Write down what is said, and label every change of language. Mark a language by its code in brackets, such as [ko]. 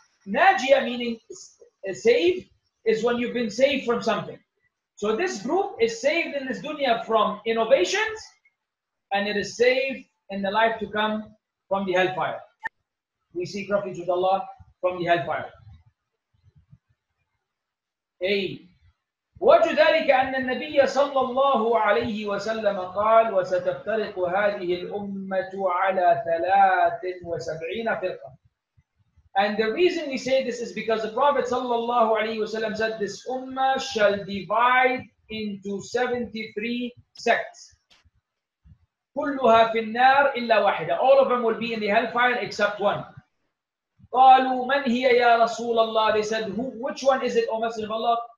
[en] Najiya meaning save is when you've been saved from something. So this group is saved in this dunya from innovations, and it is saved in the life to come from the hellfire. We seek refuge with Allah from the hellfire. Hey. [ar] وجه ذلك أن النبي صلى الله عليه وسلم قال وستفترق هذه الأمة على 73 فرقة. [en] And the reason we say this is because the Prophet sallallahu alaihi wasallam said, this ummah shall divide into 73 sects. [ar] كلها في النار إلا واحدة. [en] All of them will be in the hellfire except one. [ar] قَالُوا مَنْ هِيَ يَا رَسُولَ اللَّهِ [en] They said, which one is it, O Messenger of Allah?